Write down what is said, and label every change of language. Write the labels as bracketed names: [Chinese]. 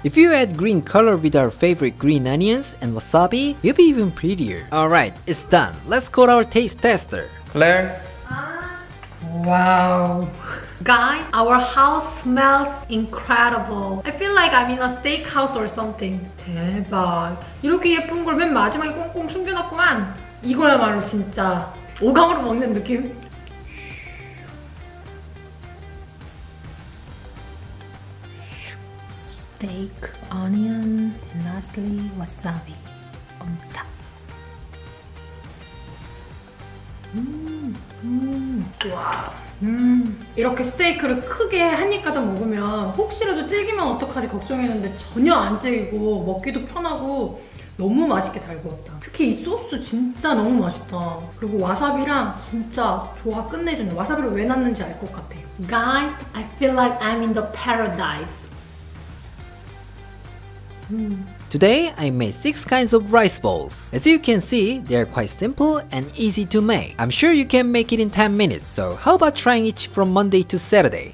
[English] If you add green color with our favorite green onions and wasabi, you'll be even prettier. Alright, it's done. Let's call our taste tester. Claire? Wow. Guys, our house smells incredible. I feel like I'm in a steakhouse or something. [Korean] 대박. 이렇게 예쁜 걸 맨 마지막에 꽁꽁 숨겨놨구만. 이거야말로 진짜 오감으로 먹는 느낌. 스테이크, 어니언, [English] and lastly, [Korean] 와사비. 엄따. 와. 이렇게 스테이크를 크게 한 입가득 먹으면 혹시라도 질기면 어떡하지 걱정했는데 전혀 안 질기고 먹기도 편하고 너무 맛있게 잘 구웠다. 특히 이 소스 진짜 너무 맛있다. 그리고 와사비랑 진짜 조화 끝내주는 와사비를 왜 넣는지 알 것 같아요. [English] Guys, I feel like I'm in the paradise. Today, I made 6 kinds of rice balls. As you can see, they are quite simple and easy to make. I'm sure you can make it in 10 minutes, so how about trying each from Monday to Saturday?